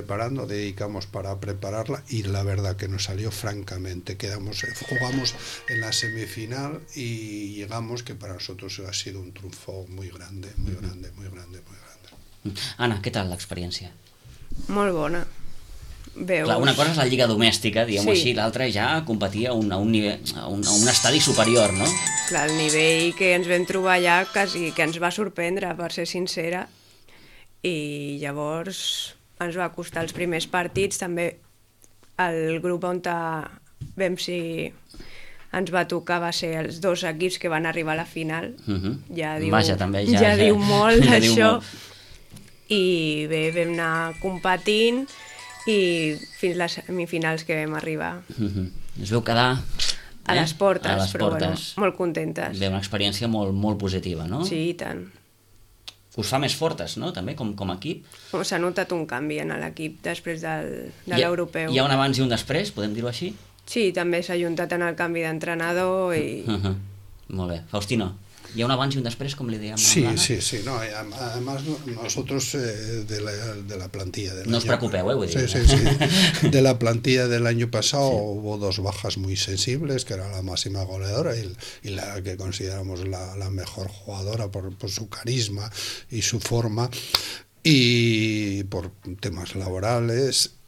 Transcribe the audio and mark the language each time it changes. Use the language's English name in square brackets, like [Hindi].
[Spanish] preparando, dedicamos para prepararla, y la verdad que nos salió francamente. Jugamos en la semifinal y llegamos, que para nosotros ha sido un triunfo muy grande, muy uh-huh. grande, muy grande, muy grande. Anna, ¿qué tal la experiencia? [Catalan] Molt bona. Veus. Clar, una cosa és la lliga domèstica, diguem-ho així, l'altra ja competia a un estadi superior, no? Clar, el nivell que ens vam trobar allà quasi que ens va sorprendre, per ser sincera, i llavors ens va costar els primers partits, també el grup on vam si ens va tocar va ser els dos equips que van arribar a la final. Ja diu, vaja, també ja diu molt ja d'això. I bé, vam anar competint i fins les semifinals que vam arribar. Es veu quedar a les portes, però bueno, molt contentes. Bé, una experiència molt, molt positiva, no? Sí, i tant. Us fa més fortes, no?, també, com a equip. S'ha notat un canvi en l'equip després de l'europeu. Hi ha un abans i un després, podem dir-ho així? Sí, també s'ha ajuntat en el canvi d'entrenador i... Molt bé. Faustino, hi ha un abans i un després, com li dèiem? Sí. [Spanish] No, además, nosotros de la plantilla... [Catalan] No us preocupeu, vull dir. Sí. [Spanish] De la plantilla [Catalan] de l'any passat [Spanish] hubo dos bajas muy sensibles, que era la máxima goleadora y la que consideramos la mejor jugadora por su carisma y su forma, y por temas laborales.